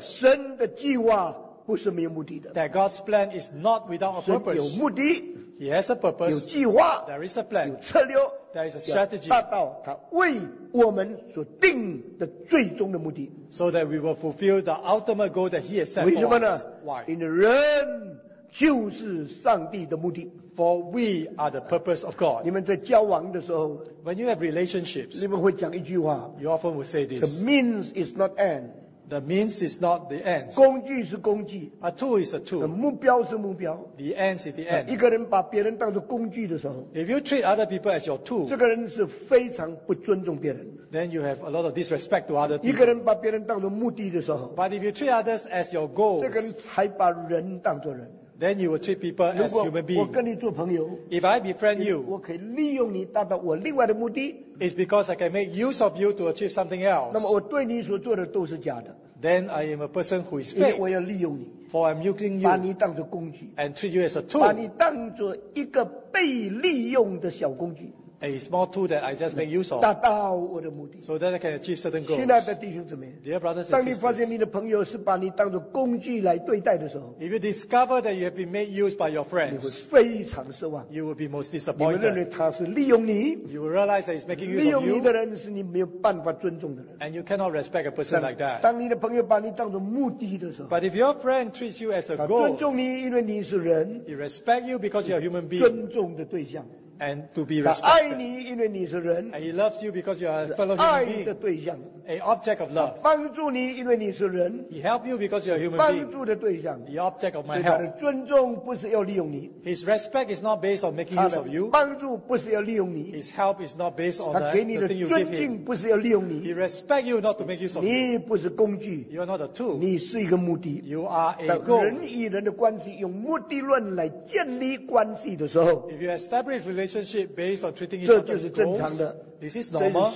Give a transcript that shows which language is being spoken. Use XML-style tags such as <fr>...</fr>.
<zh>神的计划不是没有目的的,</zh> <en>that God's plan is not without a purpose.</en> <zh>神有目的,</zh> <en>He has a purpose.</en> <zh>有计划,</zh> <en>there is a plan.</en> <zh>有策略,</zh> <en>there is a strategy.</en> <zh>要达到他为我们所定的最终的目的,</zh> <en>so that we will fulfill the ultimate goal that he has set</en> <zh>为什么呢?</zh> <en>For us. Why? In</en> <zh>人就是上帝的目的,</zh> <en>for we are the purpose of God.</en> <zh>你们在交往的时候,</zh> <en>when you have relationships,</en> <zh>你们会讲一句话,</zh> <en>you often will say this. The means is not end. The means is not the end.</en> <zh>工具是工具,</zh> <en>a tool is a tool. The</en> <zh>目标是目标,</zh> <en>the end is the end.</en> <zh>一个人把别人当作工具的时候,</zh> <en>if you treat other people as your tool,</en> <zh>这个人是非常不尊重别人,</zh> <en>then you have a lot of disrespect to other people.</en> <zh>一个人把别人当作目的的时候,</zh> <en>but if you treat others as your goals,</en> <zh>这个人才把人当作人,</zh> <en>then you will treat people as human beings.</en> <zh>如果我跟你做朋友,</zh> <en>if I befriend you,</en> <zh>我可以利用你达到我另外的目的,</zh> <en>it's because I can make use of you to achieve something else.</en> <zh>那么我对你所做的都是假的,</zh> <en>then I am a person who is fake.</en> <zh>因为我要利用你,</zh> <en>for I'm using you,</en> <zh>把你当作工具,</zh> <en>and treat you as a tool.</en> <zh>把你当作一个被利用的小工具,</zh> <en>a small tool that I just make use of,</en> <zh>达到我的目的,</zh> <en>so that I can achieve certain goals.</en> <zh>亲爱的弟兄姊妹,</zh> <en>dear brothers and sisters,</en> <zh>当你发现你的朋友是把你当作工具来对待的时候,</zh> <en>if you discover that you have been made use by your friends,</en> <zh>你会非常失望,</zh> <en>you will be most disappointed.</en> <zh>你们认为他是利用你,</zh> <en>you will realize that he's making use of you.</en> <zh>利用你的人是你没有办法尊重的人,</zh> <en>and you cannot respect a person like that.</en> <zh>当你的朋友把你当作目的的时候,</zh> <en>but if your friend treats you as a goal,</en> <zh>他尊重你, 因为你是人,</zh> <en>he respects you because you are a human being,</en> <zh>尊重的对象,</zh> <en>and to be respected.</en> <zh>他爱你因为你是人,</zh> <en>and he loves you because you are a fellow human being.</en> <zh>是爱的对象,</zh> <en>a object of love.</en> <zh>帮助你因为你是人,</zh> <en>he helped you because you are a human being.</en> <zh>帮助的对象,</zh> <en>the object of my help.</en> <zh>所以他的尊重不是要利用你,</zh> <en>his respect is not based on making use of you.</en> <zh>帮助不是要利用你,</zh> <en>his help is not based on the thing you give him.</en> <zh>不是要利用你,</zh> <en>he respects you not to make use of</en> <zh>你不是工具,</zh> <en>you are not a tool.</en> <zh>你是一个目的,</zh> <en>you are a goal.</en> <zh>人与人的关系, 用目的论来建立关系的时候,</zh> <en>if you establish relationship based on treating each other as goals, this is normal.</en>